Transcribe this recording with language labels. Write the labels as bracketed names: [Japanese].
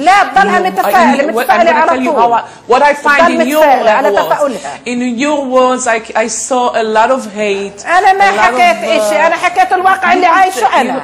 [Arabic] لا بضلها متفائلة على طول [English] what I find in your words in your words I saw a lot of hate [Arabic] انا ما حكيت اشي انا حكيت الواقع اللي عايشه انا